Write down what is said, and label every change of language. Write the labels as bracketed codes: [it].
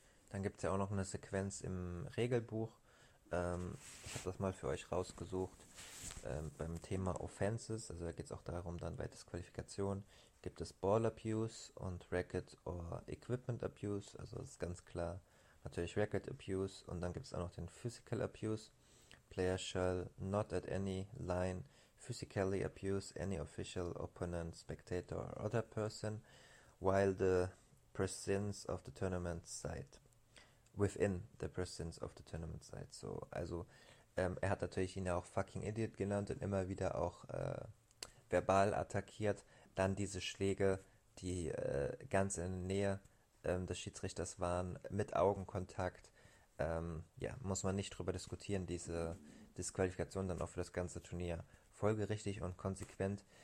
[de] Dann gibt es ja auch noch eine Sequenz im Regelbuch. Ich habe das mal für euch rausgesucht. Beim Thema Offenses, also da geht es auch darum, dann bei Disqualifikation, gibt es Ball Abuse und Racket or Equipment Abuse. Also das ist ganz klar natürlich Racket Abuse. Und dann gibt es auch noch den Physical Abuse. [en] Player shall not at any line physically abuse any official, opponent, spectator or other person while the presence of the tournament site. Within the presence of the tournament site. [de] So, also, er hat natürlich ihn ja auch fucking Idiot genannt und immer wieder auch verbal attackiert. Dann diese Schläge, die ganz in der Nähe des Schiedsrichters waren, mit Augenkontakt. Ja, muss man nicht drüber diskutieren, diese Disqualifikation dann auch für das ganze Turnier folgerichtig und konsequent.